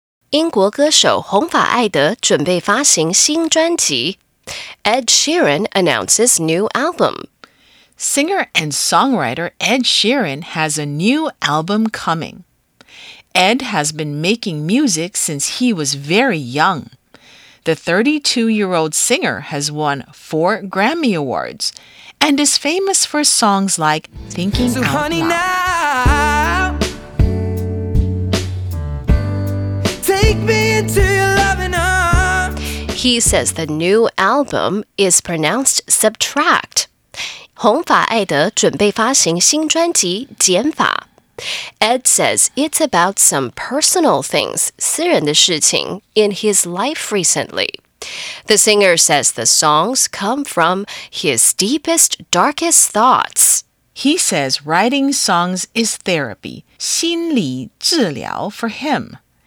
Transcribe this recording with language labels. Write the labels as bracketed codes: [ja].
[zh] 英国歌手红发艾德准备发行新专辑。 [en] Ed Sheeran announces new album. Singer and songwriter Ed Sheeran has a new album coming. Ed has been making music since he was very young. The 32-year-old singer has won 4 Grammy Awards and is famous for songs like Thinking Out Loud. Honey now. He says the new album is pronounced subtract. [zh] 红发艾德准备发行新专辑《减法》。 [en] Ed says it's about some personal things, [zh] 私人的事情 [en] in his life recently. The singer says the songs come from his deepest, darkest thoughts. He says writing songs is therapy, [zh] 心理治疗 [en] for him.